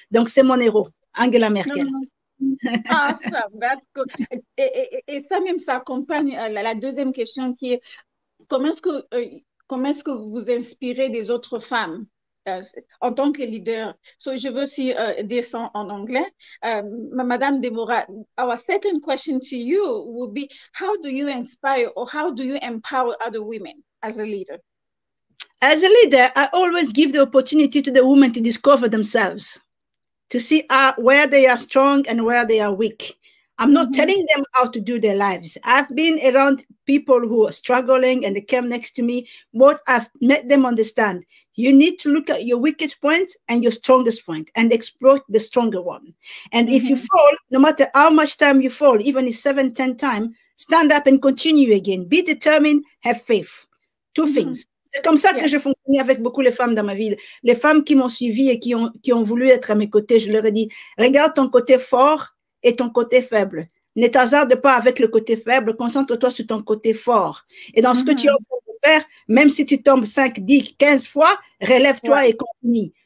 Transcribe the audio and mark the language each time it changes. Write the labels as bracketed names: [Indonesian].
[French] Donc, c'est mon héros, Angela Merkel. [English] Awesome, that's good. [French] Et ça même, ça accompagne la deuxième question qui est comment est-ce que vous inspirez des autres femmes en tant que leader? So, je veux aussi dire ça en anglais. [English] Madame Deborah, our second question to you will be, how do you inspire or how do you empower other women as a leader? As a leader, I always give the opportunity to the women to discover themselves, to see where they are strong and where they are weak. I'm not telling them how to do their lives. I've been around people who are struggling and they came next to me. What I've made them understand, you need to look at your weakest point and your strongest point and exploit the stronger one. And if you fall, no matter how much time you fall, even if 7, 10 times, stand up and continue again. Be determined, have faith. Two things. [French] C'est comme ça que j'ai fonctionné avec beaucoup les femmes dans ma vie. Les femmes qui m'ont suivi et qui ont voulu être à mes côtés, je leur ai dit, regarde ton côté fort et ton côté faible. Ne t'hasarde pas avec le côté faible, concentre-toi sur ton côté fort. Et dans ce que tu es en train de faire, même si tu tombes 5, 10, 15 fois, relève-toi et continue.